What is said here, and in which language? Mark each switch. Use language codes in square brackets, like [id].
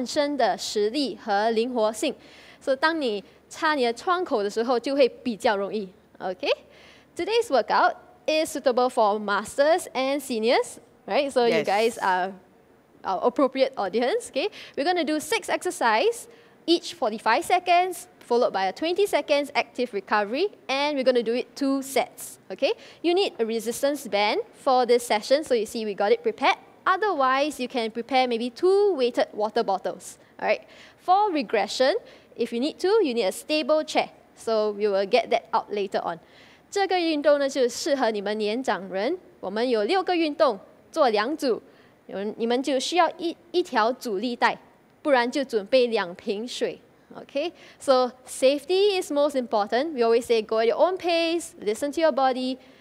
[zh] 今天的运动是要增加你们上半身的实力和灵活性, 所以当你擦你的窗口的时候, 就会比较容易, okay? [en] Today's workout is suitable for masters and seniors, right? So, yes. You guys are our appropriate audience, okay? We're going to do 6 exercises, each 45 seconds, followed by a 20 seconds active recovery, and we're going to do it 2 sets, okay? You need a resistance band for this session, so you see we got it prepared. Otherwise, you can prepare maybe 2 weighted water bottles, all right? For regression, if you need to, you need a stable chair, so we will get that out later on. [zh] 这个运动呢就适合你们年长人，我们有6个运动，做2组，你们就需要一条阻力带，不然就准备2瓶水。 [en] Okay, so safety is most important. We always say go at your own pace, listen to your body.